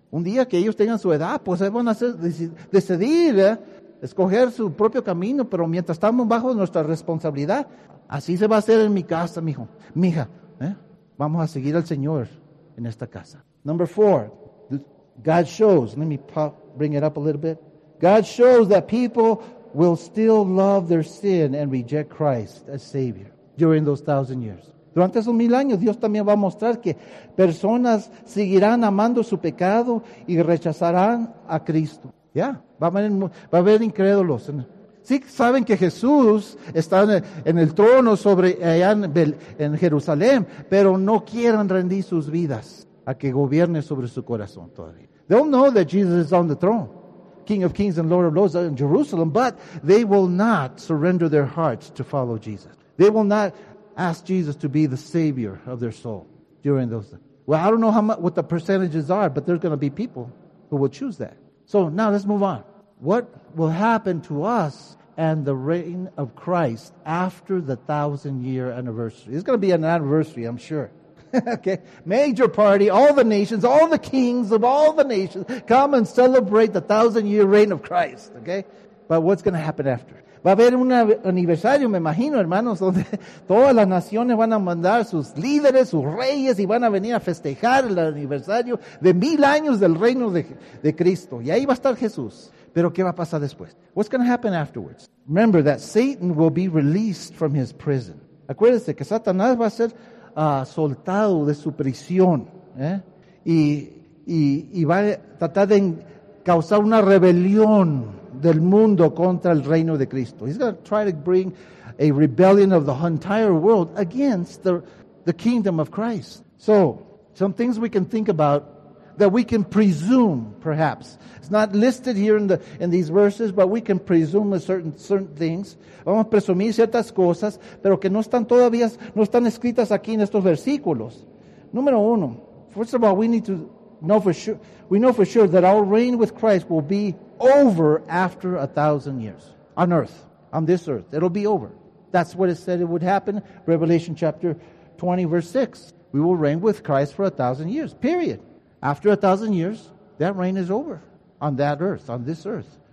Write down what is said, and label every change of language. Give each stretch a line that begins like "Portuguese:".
Spanish: Un día que ellos tengan su edad, pues ellos van a decidir, escoger su propio camino. Pero mientras estamos bajo nuestra responsabilidad, así se va a hacer en mi casa, mijo. Mija, vamos a seguir al Señor en esta casa.
English: Number four, God shows, let me bring it up a little bit. God shows that people will still love their sin and reject Christ as Savior during those 1,000 years.
Spanish: Durante esos 1,000 años, Dios también va a mostrar que personas seguirán amando su pecado y rechazarán a Cristo. Ya, va a haber incrédulos. Sí, saben que Jesús está en el trono sobre allá en Jerusalén, pero no quieren rendir sus vidas a que gobierne sobre su corazón todavía.
English: They don't know that Jesus is on the throne, King of Kings and Lord of Lords in Jerusalem, but they will not surrender their hearts to follow Jesus. They will not ask Jesus to be the Savior of their soul during those days. Well, I don't know what the percentages are, but there's going to be people who will choose that. So now let's move on. What will happen to us and the reign of Christ after the 1,000-year anniversary? It's going to be an anniversary, I'm sure. Okay, major party, all the nations, all the kings of all the nations come and celebrate the 1,000-year reign of Christ, okay? But what's going to happen after?
Spanish: Va a haber un aniversario, me imagino, hermanos, donde todas las naciones van a mandar sus líderes, sus reyes, y van a venir a festejar el aniversario de 1,000 años del reino de Cristo. Y ahí va a estar Jesús. Pero ¿qué va a pasar después?
English: What's going to happen afterwards? Remember that Satan will be released from his prison.
Spanish: Acuérdense que Satanás va a ser soltado de su prisión. Y va a tratar de causar una rebelión del mundo contra el reino de Cristo.
English: He's going to try to bring a rebellion of the entire world against the kingdom of Christ. So, some things we can think about that we can presume, perhaps. It's not listed here in these verses, but we can presume a certain things.
Spanish: Vamos a presumir ciertas cosas, pero que no están todavía, no están escritas aquí en estos versículos. Número uno,
English: first of all, we need to know for sure, we know for sure that our reign with Christ will be over after 1,000 years on earth, on this earth. It'll be over. That's what it said it would happen. Revelation chapter 20, verse 6. We will reign with Christ for 1,000 years, period. After 1,000 years, that reign is over on that earth, on this earth.